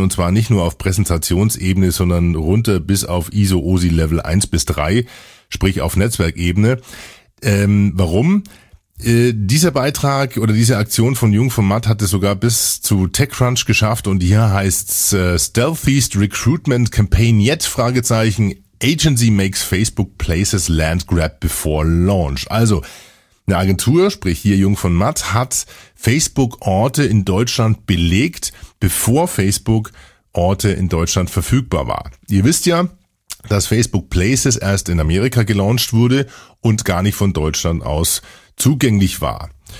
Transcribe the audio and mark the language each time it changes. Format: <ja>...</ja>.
<de>Und zwar nicht nur auf Präsentationsebene, sondern runter bis auf ISO-OSI Level 1 bis 3, sprich auf Netzwerkebene. Warum? Dieser Beitrag oder diese Aktion von Jung von Matt hat es sogar bis zu TechCrunch geschafft und hier heißt's</de> <en>Stealthiest Recruitment Campaign Yet?</en> <de>Fragezeichen.</de> <en>Agency makes Facebook Places land grab before launch.</en> <de>Also eine Agentur, sprich hier Jung von Matt, hat Facebook Orte in Deutschland belegt, bevor Facebook Orte in Deutschland verfügbar war. Ihr wisst ja, dass Facebook Places erst in Amerika gelauncht wurde und gar nicht von Deutschland aus zugänglich war.</de>